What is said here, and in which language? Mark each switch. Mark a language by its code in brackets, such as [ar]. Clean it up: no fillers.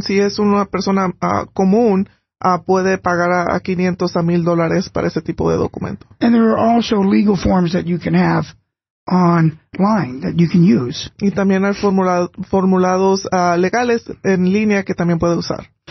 [es] Si es una persona común, puede pagar a $500 to $1,000 para ese tipo de documento. [en] And there are also legal forms that you can have online that you can use. [es] Y también hay formulados legales en línea que también puede usar.